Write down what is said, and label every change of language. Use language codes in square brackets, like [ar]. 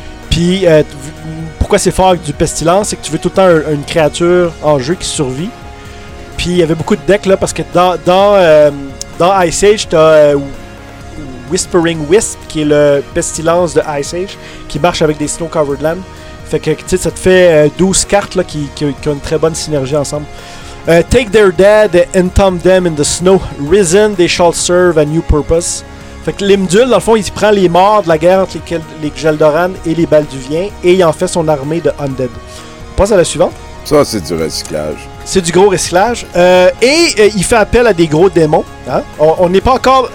[fr] Puis, pourquoi c'est fort avec du pestilence, c'est que tu veux tout le temps une créature en jeu qui survit. Puis il y avait beaucoup de decks, là, parce que dans Ice Age, t'as Whispering Wisp, qui est le pestilence de Ice Age, qui marche avec des Snow Covered Land. Fait que, tu sais, ça te fait 12 cartes, là, qui ont une très bonne synergie ensemble. [en] Take their dead and thumb them in the snow. Risen, they shall serve a new purpose. [fr] Fait que Limdul, dans le fond, il prend les morts de la guerre entre les Gjeldoran et les Balduviens, et il en fait son armée de Undead. On passe à la suivante. Ça, c'est du recyclage. C'est du gros recyclage. Et il fait appel à des gros démons. Hein? On n'est pas encore...